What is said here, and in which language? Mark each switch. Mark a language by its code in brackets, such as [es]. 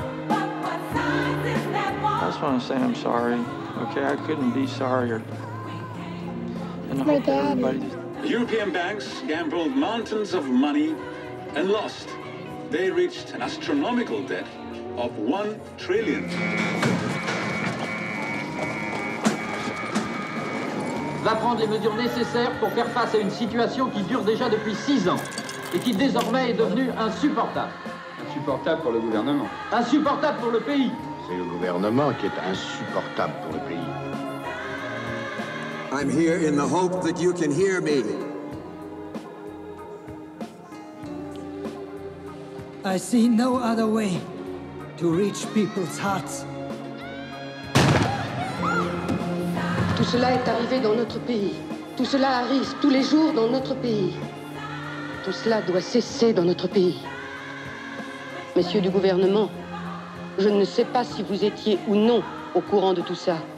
[en] I just want to say I'm sorry, okay? I couldn't be sorrier. And my dad. European banks gambled mountains of money and lost. They reached an astronomical debt of $1 trillion. [fr] Va prendre les mesures nécessaires pour faire face à une situation qui dure déjà depuis 6 ans et qui désormais est devenue insupportable. Insupportable pour le gouvernement. Insupportable pour le pays. C'est le gouvernement qui est insupportable pour le pays. [en] I'm here in the hope that you can hear me. I see no other way to reach people's hearts. [fr] Tout cela est arrivé dans notre pays. Tout cela arrive tous les jours dans notre pays. Tout cela doit cesser dans notre pays. Messieurs du gouvernement, je ne sais pas si vous étiez ou non au courant de tout ça.